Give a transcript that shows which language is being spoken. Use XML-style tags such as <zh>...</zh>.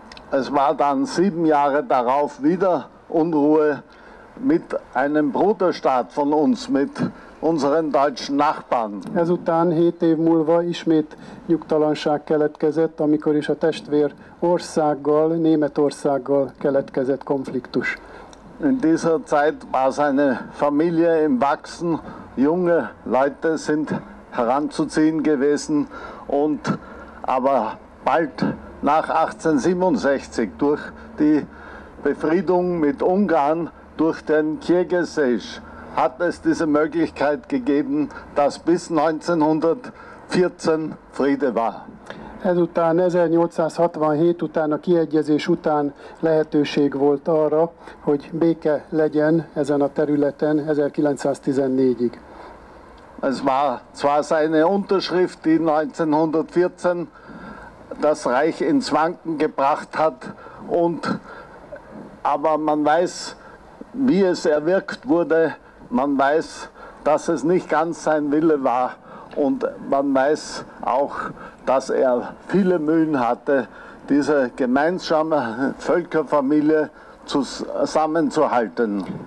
<de>Es war dann 7 Jahre darauf wieder Unruhe mit einem Bruderstaat von uns, mit unseren deutschen Nachbarn.</de> <hu>Ezután 7 év múlva ismét nyugtalanság keletkezett, amikor is a testvér országgal, Németországgal keletkezett konfliktus.</hu> <de>In dieser Zeit war seine Familie im Wachsen, junge Leute sind heranzuziehen gewesen, und aber bald nach 1867 durch die Befriedung mit Ungarn, durch den Kirgisisch, hat es diese Möglichkeit gegeben, dass bis 1914 Friede war.</de> <hu>Ezután 1867 után a kiegyezés után lehetőség volt arra, hogy béke legyen ezen a területen 1914-ig.</hu> <de>Es war zwar seine Unterschrift, die 1914 das Reich ins Wanken gebracht hat, und aber man weiß, wie es erwirkt wurde. Man weiß, dass es nicht ganz sein Wille war, und man weiß auch, dass er viele Mühen hatte, diese gemeinsame Völkerfamilie zusammenzuhalten.</de>